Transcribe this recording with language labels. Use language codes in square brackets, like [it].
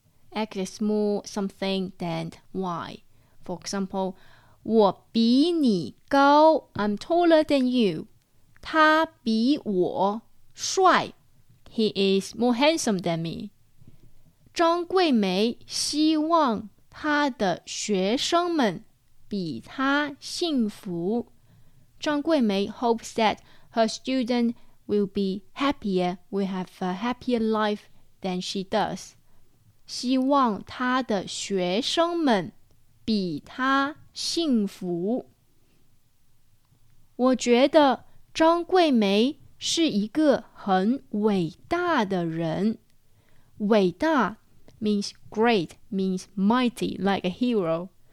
[en] X is more something than Y. For example, [zh] 我比你高 [en] I'm taller than you. [zh] 他比我帅 [en] He is more handsome than me. [zh] 张桂梅希望她的学生们比她幸福。 [en] 张桂梅 hopes that her student will be happier, will have a happier life than she does. [zh] 希望她的学生们比她幸福。我觉得张桂梅是一个很伟大的人。 [en] 伟大 means great, means mighty, like a hero.